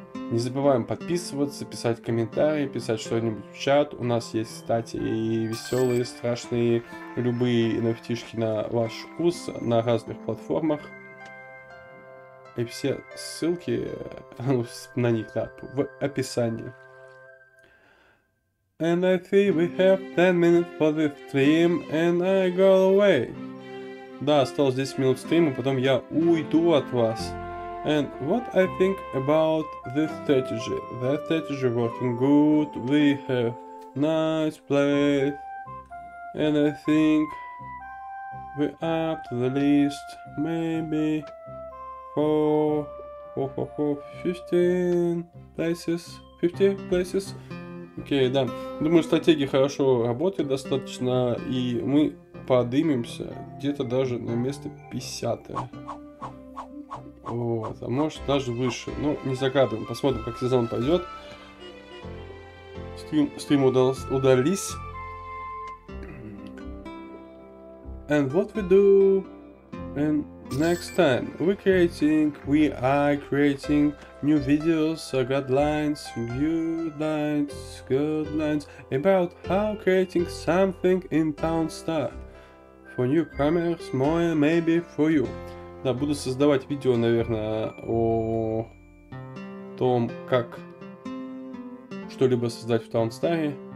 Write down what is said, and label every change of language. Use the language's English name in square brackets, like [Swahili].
[Russian] Не забываем подписываться, писать комментарии, писать что-нибудь в чат. У нас есть, кстати, и веселые, страшные, любые NFT-шки на ваш вкус на разных платформах. И все ссылки на них, да, в описании. [English] And I think we have 10 minutes for the stream, and I go away. [Russian] Да, осталось 10 минут стрима, потом я уйду от вас. [English] And what I think about this strategy? The strategy working good, we have nice place, and I think we up to the list, maybe 15 places. [Russian] Окей, да. Думаю, стратегия хорошо работает достаточно, и мы подымемся где-то даже на место 50-е. Вот, а может даже выше. Ну, не загадываем, посмотрим, как сезон пойдет. Стрим удались. [English] And what we do and next time? We are creating new videos, guidelines, new guidelines about how creating something in TownStar for newcomers, more maybe for you. [Russian] Да, буду создавать видео, наверное, о том, как что-либо создать в TownStar.